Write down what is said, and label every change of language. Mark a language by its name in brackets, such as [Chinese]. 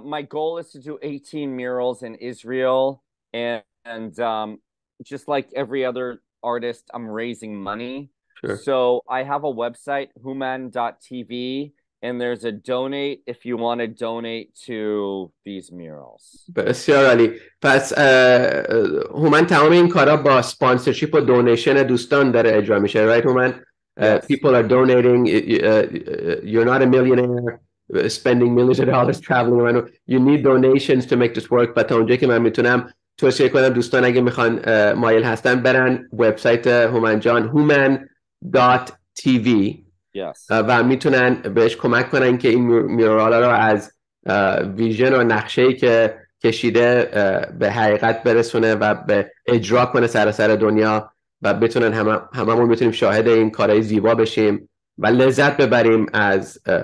[English] My goal is to do 18 murals in Israel and just like every other artist I'm raising money. Sure. So I have a website Hooman.tv and there's a donate if you want to donate to these murals. [Persian] بسیار عالی. پس هومن تمام این کارا با سپانسرشیپ و دونیشن دوستان داره اجرا میشه. [English] Right, Hooman? Yes. People are donating. You're not a millionaire spending millions of dollars traveling around. You need donations to make this work. [Persian] But اونجا که من میتونم توصیه کنم دوستان اگه میخوان مایل هستن برن وبسایت هومن جان Hooman.tv. [English] Yes. [Persian] و میتونن بهش کمک کنن که این مورال رو از ویژن و نقشه‌ای که کشیده به حقیقت برسونه و به اجرا کنه سراسر دنیا و بتونن هممون بتونیم شاهد این کارهای زیبا بشیم و لذت ببریم از